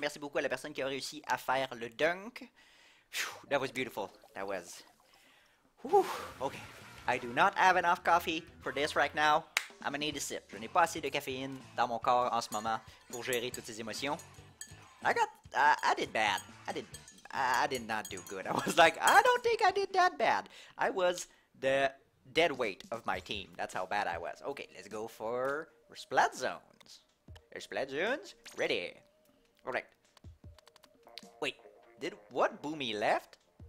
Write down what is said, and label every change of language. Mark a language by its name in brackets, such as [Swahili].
[French] Merci beaucoup à la personne qui a réussi à faire le dunk. [English] Whew, that was beautiful. That was. Whew. Okay. I do not have enough coffee for this right now. I'm gonna need a sip. [French] Je n'ai pas assez de caféine dans mon corps en ce moment pour gérer toutes ces émotions. [English] I did bad. I did not do good. I was like, I don't think I did that bad. I was the dead weight of my team. That's how bad I was. Okay, let's go for. Splat zones. Splat zones ready. Alright. Wait, did what Boomy left?